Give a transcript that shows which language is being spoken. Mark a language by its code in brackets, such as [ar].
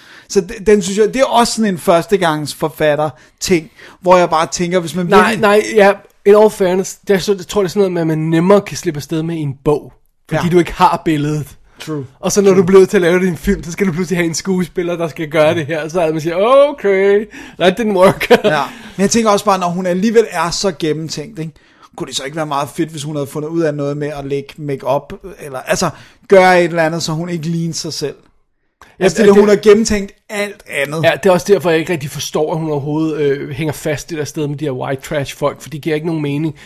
[da] Så den synes jeg, det er også sådan en førstegangs forfatter ting, hvor jeg bare tænker, hvis man... Nej, ja, [en] in all fairness, [da] jeg tror det er sådan noget med, at man nemmere kan slippe afsted med en bog, fordi du ikke har billedet. [en] True. [da] Og så når [en] True. [da] Du bliver til at lave din film, så skal du pludselig have en skuespiller, der skal gøre det her. Så er man siger, [en] okay, that didn't work. [da] Ja. Men jeg tænker også bare, når hun alligevel er så gennemtænkt, ikke? Kunne det så ikke være meget fedt, hvis hun havde fundet ud af noget med at lægge make-up, eller altså gøre et eller andet, så hun ikke ligner sig selv. Ja, altså, hun har gennemtænkt alt andet. Ja, det er også derfor, jeg ikke rigtig forstår, at hun overhovedet hænger fast det der sted med de her white trash folk, for det giver ikke nogen mening.